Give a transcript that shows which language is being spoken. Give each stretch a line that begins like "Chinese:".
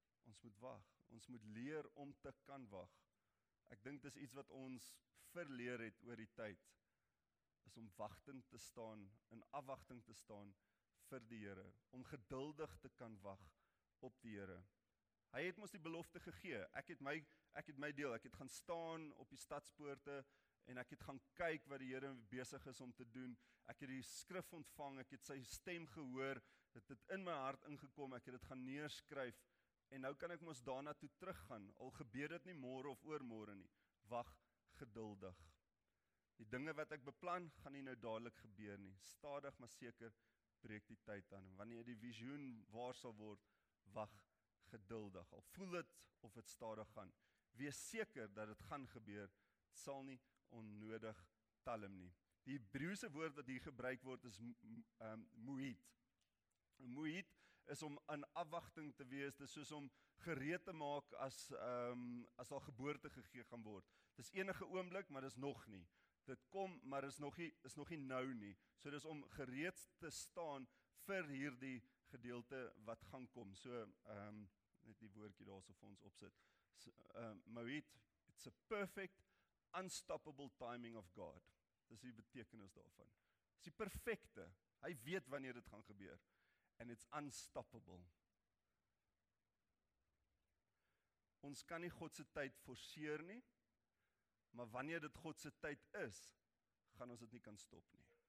Afrikaans: Ons moet wag, ons moet leer om te kan wag. Ek dink dis iets wat ons verleer het oor die tyd, is om wagtend te staan, in afwagting te staan vir die Here, om geduldig te kan wag op die Here. Hy het ons die belofte gegee, ek het my deel, ek het gaan staan op die stadspoorte, en ek het gaan kyk wat die Here besig is om te doen, ek het die skrif ontvang, ek het sy stem gehoor, het dit in my hart ingekom, ek het dit gaan neerskryf, en nou kan ek ons daarna toe teruggaan, al gebeur dit nie morgen of oormorgen nie, wag geduldig. Die dinge wat ek beplan, gaan nie nou dadelik gebeur nie. Stadig, maar seker, breek die tyd aan. Wanneer die visioen waar sal word, wag geduldig. Al voel het of het stadig gaan. Wees seker dat het gaan gebeur, het sal nie onnodig talm nie. Die Hebreëse woord wat hier gebruik word is moeit. Moeit is om in afwagting te wees, dis soos om gereed te maak as al geboorte gegee gaan word. Dis enige oomblik, maar dis nog nie. Dit kom, maar is nog nie nou nie. So dis om gereed te staan vir hierdie gedeelte wat gaan kom. So, net die woordjie daar so vir ons opsit.
English: Moeit, it's a perfect, unstoppable timing of God.
Afrikaans: Dis die betekenis daarvan. Dis die perfekte. Hy weet wanneer dit gaan gebeur.
English: And it's unstoppable.
Afrikaans: Ons kan nie God se tyd forceer nie. Maar wanneer dit God se tyd is, gaan ons dit nie kan stop nie.